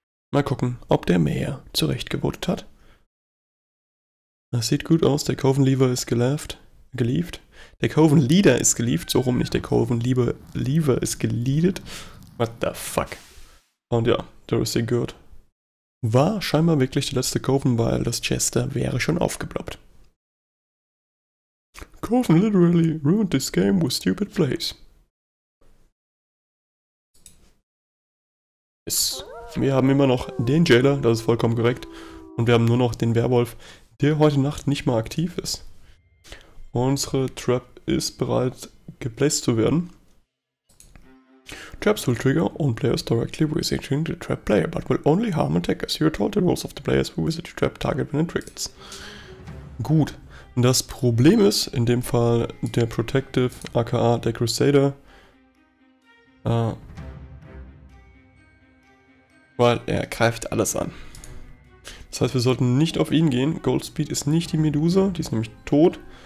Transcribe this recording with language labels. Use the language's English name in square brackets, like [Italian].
[German] Mal gucken, ob der Mayor zurechtgebotet hat. Das sieht gut aus, der Coven Leaver ist gelieft. Gelieft? Der Coven Leader ist gelieft, so rum nicht, der Coven Leaver ist geleadet. [English] What the fuck? [German] Und ja, [English] there is a good. [German] War scheinbar wirklich der letzte Coven, weil das Chester wäre schon aufgeploppt. [English] Coven literally ruined this game with stupid plays. Yes. [German] Wir haben immer noch den Jailer, das ist vollkommen korrekt. Und wir haben nur noch den Werwolf, der heute Nacht nicht mal aktiv ist. Unsere Trap ist bereit, geplaced zu werden. Tja, [English] Capsule trigger on players directly visiting the trap player, but will only harm attackers. You are told the rules of the players who visit the trap target when it triggers. [German] Gut. Das Problem ist, in dem Fall der Protective, aka der Crusader, weil er greift alles an. Das heißt, wir sollten nicht auf ihn gehen. Goldspeed ist nicht die Medusa, die ist nämlich tot.